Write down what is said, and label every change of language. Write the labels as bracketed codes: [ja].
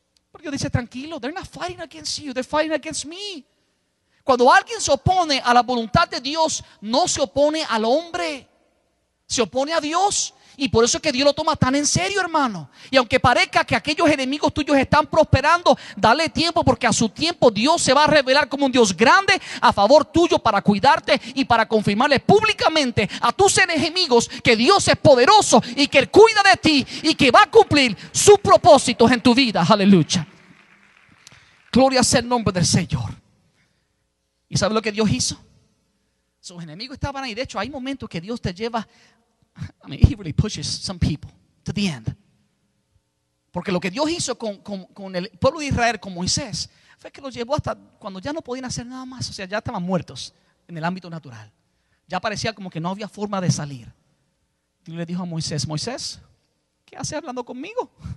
[es] Pero Dios dice: tranquilo, [en] they're not fighting against you, they're fighting against me. [es] Cuando alguien se opone a la voluntad de Dios, no se opone al hombre, se opone a Dios. Y por eso es que Dios lo toma tan en serio, hermano. Y aunque parezca que aquellos enemigos tuyos están prosperando, dale tiempo, porque a su tiempo Dios se va a revelar como un Dios grande a favor tuyo, para cuidarte y para confirmarle públicamente a tus enemigos que Dios es poderoso y que Él cuida de ti y que va a cumplir sus propósitos en tu vida. Aleluya. Gloria sea el nombre del Señor. ¿Y sabes lo que Dios hizo? Sus enemigos estaban ahí. De hecho, hay momentos que Dios te lleva. [en] I mean, he really pushes some people to the end. [es] Porque lo que Dios hizo con el pueblo de Israel, con Moisés, fue que los llevó hasta cuando ya no podían hacer nada más. O sea, ya estaban muertos en el ámbito natural. Ya parecía como que no había forma de salir. Dios le dijo a Moisés: Moisés, ¿qué haces hablando conmigo?